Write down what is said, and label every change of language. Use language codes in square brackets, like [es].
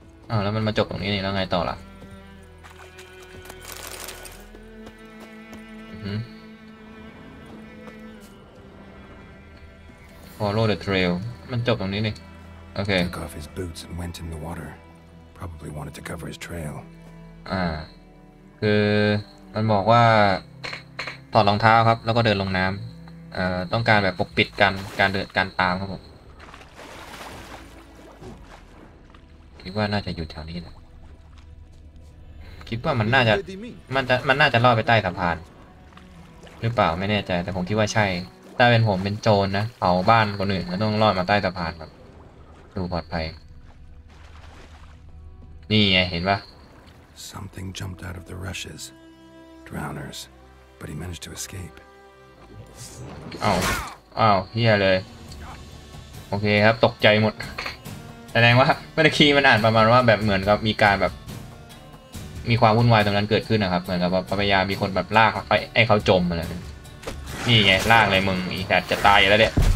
[th] อ๋อแล้วมันมาจบตรงนี้นี่แล้วไงต่อล่ะ [en] Follow the trail [th] มันจบตรงนี้นี่โอเค [en] Took off his boots and went in the water probably wanted to cover his trail [th] คือมันบอกว่าถอดรองเท้าครับแล้วก็เดินลงน้ำต้องการแบบปกปิดการเดินการตามครับผมคิดว่าน่าจะอยู่แถวนี้แหละคิดว่ามันน่าจะล่อไปใต้สะพานหรือเปล่าไม่แน่ใจแต่ผมคิดว่าใช่ถ้าเป็นผมเป็นโจรนะเผาบ้านคนอื่นก็ต้องล่อมาใต้สะพานครับดูปลอดภัยนี่ไงเห็นป่ะ [en] Something jumped out of the rushes drowners but he managed to escape [th] อ้าวเหี้ยเลยโอเคครับตกใจหมดแสดงว่าเมื่อกี้มันอ่านประมาณว่าแบบเหมือนกับมีการแบบมีความวุ่นวายตรงนั้นเกิดขึ้นนะครับเหมือนกับพยายามมีคนแบบลากให้เขาจมอะไรนี่ไงลากเลยมึงอีแต่จะตายแล้วเนี่ย